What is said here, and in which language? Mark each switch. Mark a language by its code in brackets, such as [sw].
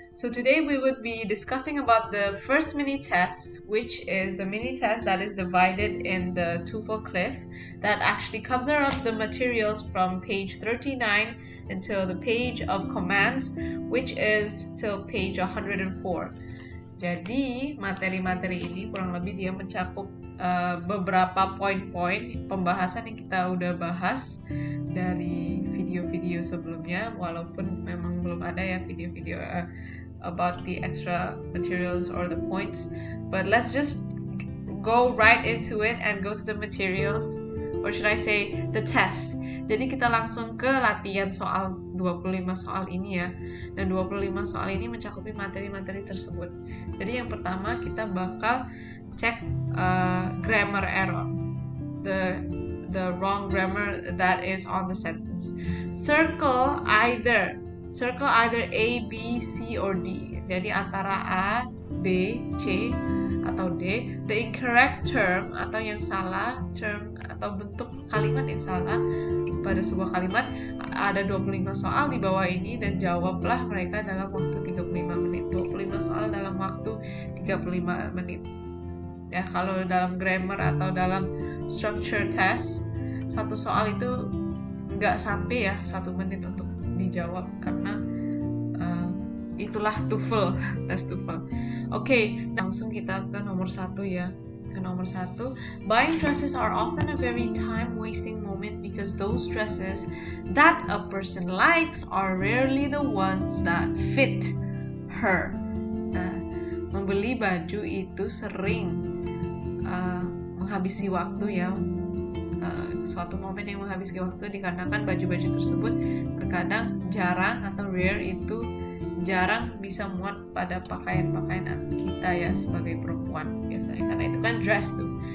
[en] So today we would be discussing about the first mini test, which is the mini test that is divided in the TOEFL cliff that actually covers up the materials from page 39 until the page of commands, which is till page 104. [id] Jadi materi-materi ini kurang lebih dia mencakup beberapa poin-poin pembahasan yang kita udah bahas dari video-video sebelumnya, walaupun memang belum ada ya video-video [en] about the extra materials or the points. But let's just go right into it and go to the materials, or should I say the test. [id] Jadi kita langsung ke latihan soal 25 soal ini ya. Dan 25 soal ini mencakupi materi-materi tersebut. Jadi yang pertama kita bakal cek grammar error. [en] The wrong grammar that is on the sentence. Circle either A, B, C, or D. [id] Jadi antara A, B, C, atau D. [en] The incorrect term [id] atau yang salah, term atau bentuk kalimat yang salah pada sebuah kalimat. Ada 25 soal di bawah ini dan jawablah mereka dalam waktu 35 menit. 25 soal dalam waktu 35 menit. Ya, kalau dalam grammar atau dalam structure test, satu soal itu nggak sampai ya 1 menit untuk dijawab karena itulah TOEFL, tes TOEFL. Okay, langsung kita ke nomor 1 ya. Ke nomor 1. [en] Buying dresses are often a very time-wasting moment because those dresses that a person likes are rarely the ones that fit her. [id] Nah, membeli baju itu sering menghabisi waktu ya. Suatu momen yang menghabiskan waktu dikarenakan baju-baju tersebut terkadang jarang atau rare itu jarang bisa muat pada pakaian-pakaian kita ya sebagai perempuan biasanya, karena itu kan dress tuh.